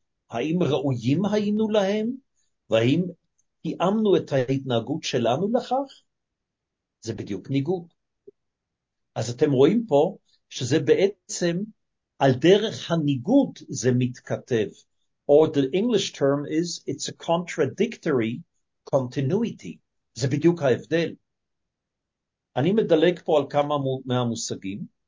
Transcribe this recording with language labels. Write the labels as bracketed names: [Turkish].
[Hebrew] האם ראויים היינו להם? והאם תיאמנו את ההתנהגות שלנו לכך? זה בדיוק ניגוד. אז אתם רואים פה שזה בעצם על דרך הניגוד זה מתכתב. [English] Or the English term is, it's a contradictory continuity. [Hebrew] זה בדיוק ההבדל. אני מדלג פה על כמה מהמושגים,